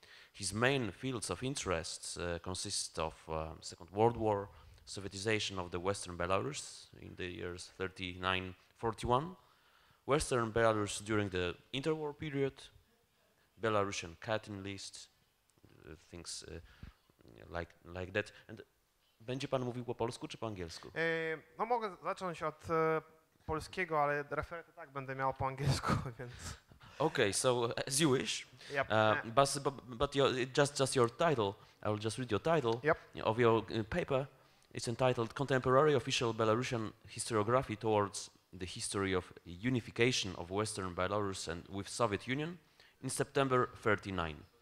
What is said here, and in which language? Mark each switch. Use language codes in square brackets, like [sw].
[en] His main fields of interest consist of Second World War, Sovietization of the Western Belarus in the years 39-41, Western Belarus during the interwar period, Belarusian cutting list, things like that. [pl] And będzie pan mówił po polsku czy po angielsku? No mogę zacząć od polskiego, ale referaty tak będę miał po angielsku, więc. [en] Okay, so as you wish. Yep. But your, just your title, I will just read your title yep. of your paper. It's entitled Contemporary Official Belarusian Historiography Towards the History of Unification of Western Belarus and with Soviet Union in September 39.